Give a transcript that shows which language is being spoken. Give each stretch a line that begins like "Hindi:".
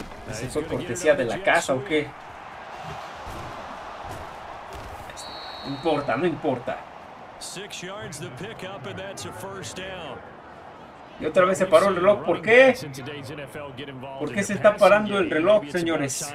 Spanish: ¿Es eso cortesía de la casa o qué? No importa, no importa.
English: 6 yards the pick up and that's a first down.
Spanish: Y otra vez se paró el reloj. ¿Por qué? ¿Por qué se está parando el reloj, señores?